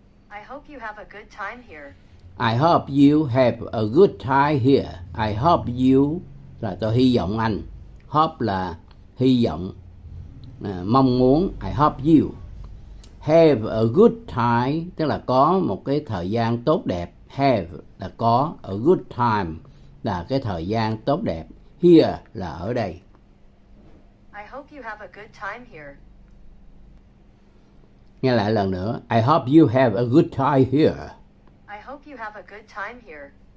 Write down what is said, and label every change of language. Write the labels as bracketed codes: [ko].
[en] I hope you have a good time here. I hope you have a good time here. I hope you [vi] là tôi hy vọng anh. Hope là hy vọng, mong muốn. [en] I hope you have a good time [vi] tức là có một cái thời gian tốt đẹp. Have là có, [en] a good time [vi] là cái thời gian tốt đẹp, here là ở đây. [en] I hope you have a good time here. [vi] Nghe lại lần nữa. [en] I hope you have a good time here. I hope you have a good time here.